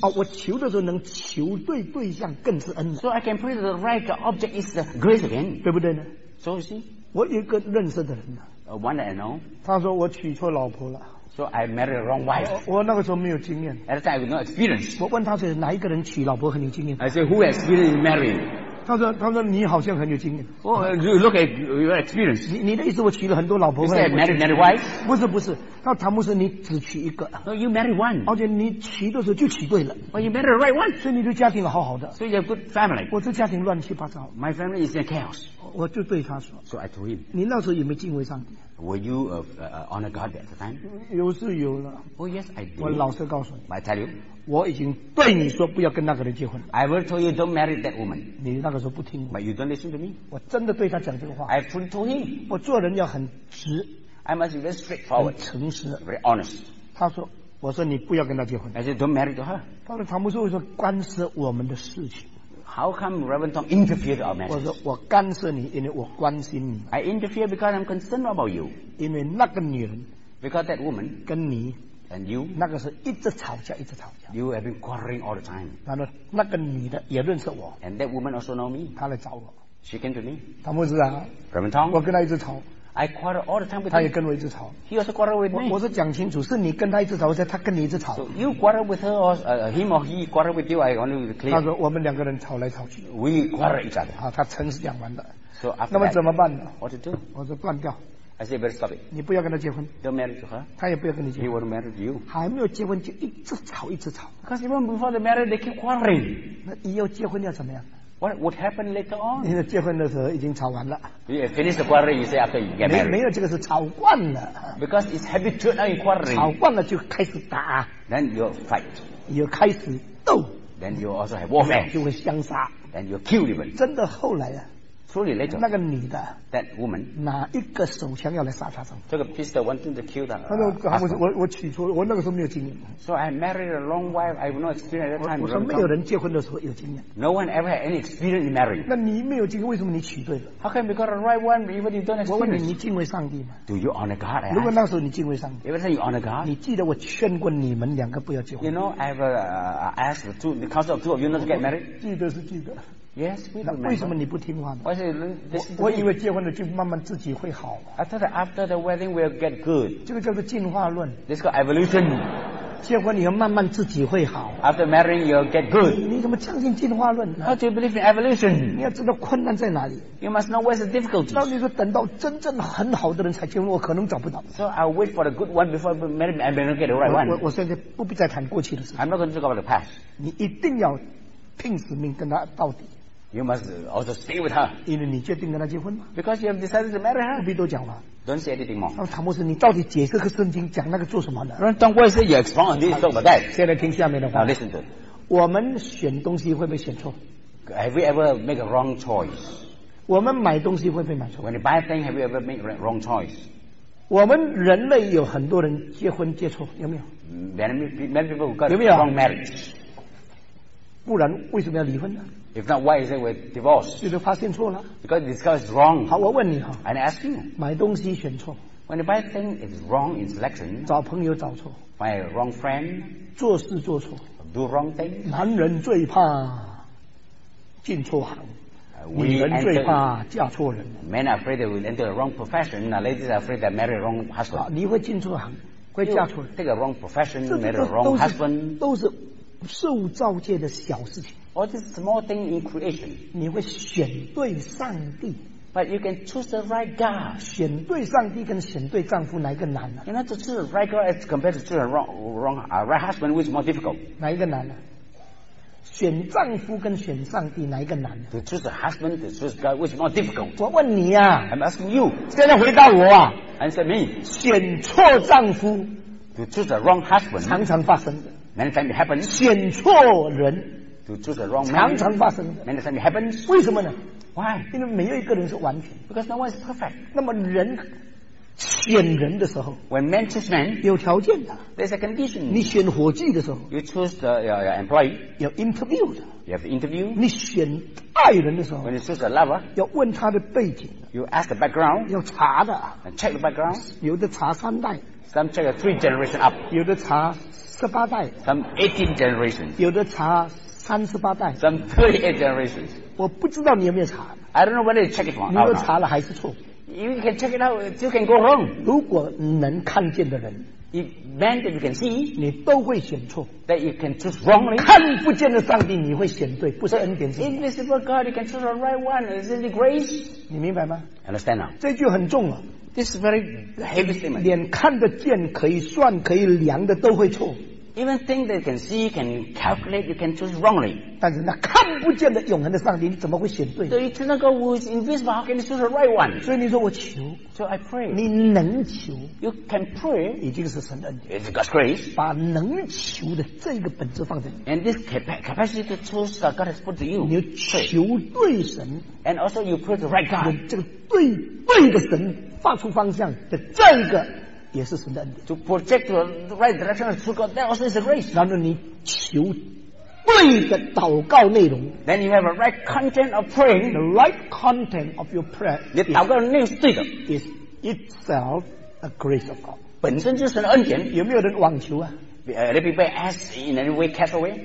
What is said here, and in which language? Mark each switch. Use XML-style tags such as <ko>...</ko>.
<zh>啊，我求的时候能求对对象更是恩了。</zh> <en>So I can pray the right object is the grace again,</en> <zh>对不对呢</zh> <en>？So you see,</en> <zh>我有一个认识的人呢</zh> <en>，One that I know,</en> <zh>他说我娶错老婆了。</zh> <en>So I married the wrong wife.</en> <zh>我那个时候没有经验。</zh> <en>At that time, I have no experience.</en> <zh>我问他是哪一个人娶老婆很有经验</zh> <en>？I say, who has experience in marrying?</en> <zh>他说你好像很有经验。</zh> <en>Oh, you look at your experience.</en> <zh>你的意思我娶了很多老婆。</zh> <en>You said married wife?</en> <zh>不是不是，他说唐牧师你只娶一个。</zh> <en>Oh, you married one.</en> <zh>而且你娶的时候就娶对了。</zh> <en>Oh, you married the right one.</en> <zh>所以你的家庭好好的。</zh> <en>So you have good family.</en> <zh>我这家庭乱七八糟。</zh> <en>My family is in chaos.</en> <zh>我就对他说。</zh> <en>So I told him.</en> <zh>你那时候有没有敬畏上帝？</zh> <en>Were you honor God at the time?</en> <zh>有是有了。</zh> <en>Oh yes, I did.</en> <zh>我老实告诉你。</zh> <en>But I tell you,</en> <zh>我已经对你说不要跟那个人结婚。</zh> <en>I will tell you don't marry that woman.</en> <zh>你那个时候不听。</zh> <en>But you don't listen to me.</en> <zh>我真的对他讲这个话。</zh> <en>I fully told him.</en> <zh>我做人要很直。</zh> <en>I must be very straightforward.</en> <zh>很诚实。</zh> <en>Very honest.</en> <zh>他说，我说你不要跟他结婚。</zh> <en>I said don't marry to her.</en> <zh>他说唐牧师会说干涉我们的事情。</zh> <en>How come Reverend Tom interfered our matters?</en> <zh>我说我干涉你，因为我关心你。</zh> <en>I interfere because I'm concerned about you.</en> <zh>因为那个女人</zh> <en>，because that woman</en> <zh>跟你</zh> <en>，and you</en> <zh>那个是一直吵架，一直吵架。</zh> <en>You have been quarreling all the time.</en> <zh>然后那个女的也认识我</zh> <en>，and that woman also know me.</en> <zh>她来找我</zh> <en>，she came to me.</en> <zh>唐牧师啊</zh> <en>，Reverend Tom，</en> <zh>我跟她一直吵。</zh> <en>I quarrel all the time with him.</en> <zh>他也跟我一直吵。</zh> <en>He also quarrel with me.</en> <zh>我是讲清楚，是你跟他一直吵，还是他跟你一直吵</zh> <en>？So you quarrel with her or him or he quarrel with you? I only clear.</en> <zh>他说我们两个人吵来吵去。</zh> <en>We quarrel each other.</en> <zh>啊，他诚实讲完的。</zh> <en>So after</en> <zh>那么怎么办呢</zh> <en>？What to do?</en> <zh>我说断掉。</zh> <en>I say better stop it.</en> <zh>你不要跟他结婚。</zh> <en>Don't marry to her.</en> <zh>他也不要跟你结婚。</zh> <en>He won't marry to you.</en> <zh>还没有结婚就一直吵一直吵。</zh> <en>Because even before the marriage they keep quarreling.</en> <zh>那以后结婚要怎么样？</zh> <en>What would happen later on?</en> <zh>你结婚的时候已经吵完了。</zh> <en>You finish the quarrel, you say after you get married.</en> <zh>没有这个是吵惯了。</zh> <en>Because it's habitual now in quarreling.</en> <zh>吵惯了就开始打。</zh> <en>Then you fight. You</en> <zh>开始斗。</zh> <en>Then you also have warfare.</en> <zh>就会相杀。</zh> <en>Then you kill even.</en> <zh>真的后来啊。处理那种那个女的</zh> <en>that woman</en> <zh>哪一个手枪要来杀她丈夫，这个</zh> <en>pistol wanting to kill the husband。</en> <zh>我起初我那个时候没有经验，</zh> <en>so I married a long wife, I have no experience at that time。</en> <zh>我说没有人结婚的时候有经验，</zh> <en>no one ever had any experience in marriage。</en> <zh>那你没有经验为什么你娶对了？</zh> <en>how can we call the right one even if you don't experience？</en> <zh>我问你，你敬畏上帝吗？</zh> <en>do you honor God？</en> <zh>如果那时候你敬畏上帝，</zh> <en>if you honor God，</en> <zh>你记得我劝过你们两个不要结婚，</zh> <en>you know I have asked the counsel of two of you not to get married。</en> <zh>记得是记得。</zh> <en>Yes,</en> <zh>那为什么你不听话呢？</zh> <en>Why,</en> <zh>我以为结婚了就慢慢自己会好。</zh> <en>I thought that after the wedding will get good.</en> <zh>这个叫做进化论。</zh> <en>This is called evolution.</en> <zh>结婚以后慢慢自己会好。</zh> <en>After marrying, you'll get good.</en> <zh>你怎么相信进化论？</zh> <en>How do you believe in evolution?</en> <zh>你要知道困难在哪里。</zh> <en>You must know where's the difficulty.</en> <zh>那你说等到真正很好的人才结婚，我可能找不到。</zh> <en>So I wait for the good one before I marry and then get the right one.</en> <zh>我现在不必再谈过去的事。</zh> <en>I'm not going to talk about the past.</en> <zh>你一定要拼死命跟他到底。</zh> <en>You must also stay with her.</en> <zh>因为你决定跟她结婚吗？</zh> <en>Because you have decided to marry her.</en> <zh>不必多讲嘛。</zh> <en>Don't say anything more.</en> <zh>那塔莫斯，你到底解释个圣经讲那个做什么的？</zh> <en>Don't worry, you explain this talk about that.</en> <zh>现在听下面的话。</zh> <en>Now listen to.</en> <zh>我们选东西会不会选错？</zh> <en>Have you ever make a wrong choice?</en> <zh>我们买东西会不会买错？</zh> <en>When you buy things, have you ever make a wrong choice?</en> <zh>我们人类有很多人结婚结错，有没有？</zh> <en>Many people got wrong marriage.</en> <zh>不然为什么要离婚呢？</zh> <en>If not, why is it with divorce?</en> <zh>就是发现错了。</zh> <en>Because this guy is wrong.</en> <zh>好，我问你哈。</zh> <en>And I ask you.</en> <zh>买东西选错。</zh> <en>When you buy thing, it's wrong in selection.</en> <zh>找朋友找错。</zh> <en>Find a wrong friend.</en> <zh>做事做错。</zh> <en>Do wrong thing.</en> <zh>男人最怕进错行。女人最怕嫁错人。</zh> <en>Men are afraid they will enter the wrong profession. Now ladies are afraid they marry the wrong husband.</en> <zh>你会进错行，会嫁错人。</zh> <en>Take a wrong profession, marry the wrong husband.</en> <zh>都是受造界的小事情。</zh> <en>Or this small thing in creation.</en> <zh>你会选对上帝。</zh> <en>But you can choose the right God.</en> <zh>选对上帝跟选对丈夫哪一个难呢？</zh> <en>You know, to choose the right God as compared to choose the right husband, which is more difficult.</en> <zh>哪一个难呢？选丈夫跟选上帝哪一个难呢？</zh> <en>To choose the husband, to choose God, which is more difficult.</en> <zh>我问你啊。</zh> <en>I'm asking you.</en> <zh>现在回答我啊。</zh> <en>Answer me.</en> <zh>选错丈夫。</zh> <en>To choose the wrong husband.</en> <zh>常常发生的。</zh> <en>Many times it happens.</en> <zh>选错人。</zh> <en>To choose the wrong man.</en> <zh>常常发生。</zh> <en>Many times it happens.</en> <zh>为什么呢？</zh> <en>Why?</en> <zh>因为没有一个人是完全。</zh> <en>Because no one is perfect.</en> <zh>那么人选人的时候，</zh> <en>When man choose man,</en> <zh>有条件的。</zh> <en>There's a condition.</en> <zh>你选伙计的时候，</zh> <en>You choose the your employee.</en> <zh>要 interview 的。</zh> <en>You have interview.</en> <zh>你选爱人的时候，</zh> <en>When you choose a lover,</en> <zh>要问他的背景的。</zh> <en>You ask the background.</en> <zh>要查的。</zh> <en>And check the background.</en> <zh>有的查三代。</zh> <en>Some check a three generation up.</en> <zh>有的查十八代。</zh> <en>Some 18 generations.</en> <zh>有的查三十八代</zh> <en>，some 38 generations。</en> <zh>我不知道你有没有查。</zh> <en>I don't know whether you check it wrong.</en> <zh>你若查了还是错。</zh> <en>You can check it out, you can go wrong.</en> <zh>如果能看见的人</zh> <en>，if man that you can see，</en> <zh>你都会选错。</zh> <en>That you can choose wrongly。</en> <zh>看不见的上帝，你会选对，不是恩典是。</zh> <en>Invisible God, you can choose the right one. Is it grace？</en> <zh>你明白吗</zh> <en>？Understand now。</en> <zh>这句很重了。</zh> <en>This is very heavy statement。</en> <zh>脸看得见、可以算、可以量的都会错。</zh> <en>Even thing that you can see, you can calculate, you can choose wrongly.</en> <zh>但是那看不见的永恒的上帝，你怎么会选对？</zh> <en>So you choose a God who is invisible, how can you choose the right one?</en> <zh>所以你说我求。</zh> <en>So I pray.</en> <zh>你能求。</zh> <en>You can pray.</en> <zh>已经是神的恩典。</zh> <en>It's God's grace.</en> <zh>把能求的这个本质放在你。</zh> <en>And this capacity to choose that God has put to you.</en> <zh>你求对神。</zh> <en>And also you pray the right God.</en> <zh>这个对的神发出方向的这个。也是神的恩典。</zh> <en>To project the right direction to God, that also is a grace.</en> <zh>然后你求对的祷告内容。</zh> <en>Then you have a right content of praying. The right content of your prayer.</en> <zh>你祷告的内容是对的。</zh> <en>Is itself a grace of God.</en> <zh>本身就是神的恩典。有没有人妄求啊？</zh> <en>Let people ask in any way, cast away.</en>